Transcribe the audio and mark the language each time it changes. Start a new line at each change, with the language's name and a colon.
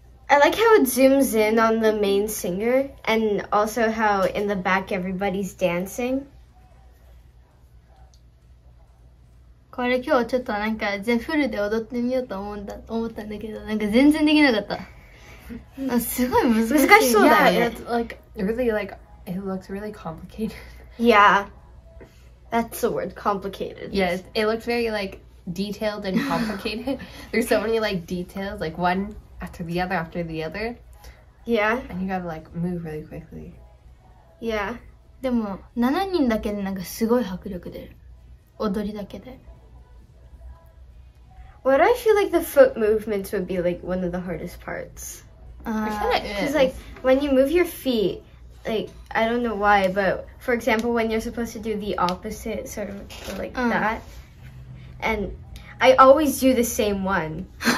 English: I like how it zooms in on the main singer and also how in the back everybody's dancing.
Japanese: これ今日ちょっとなんかじゃフルで踊ってみようと思ったんだけどなんか全然できなかった。すごい難しそうだね。
English: Yeah, it looks really complicated. Yeah. That's the word, complicated. Yes, it looks very like detailed and complicated. There's so many like details, like one after the other after the other. Yeah. And you gotta like move really quickly. Yeah.
Japanese: でも7人だけでなんかすごい迫力で踊りだけで。
English: What I feel like the foot movements would be like one of the hardest parts. Because like when you move your feet. Like, I don't know why, but for example, when you're supposed to do the opposite, sort of like、that, and I always do the same one.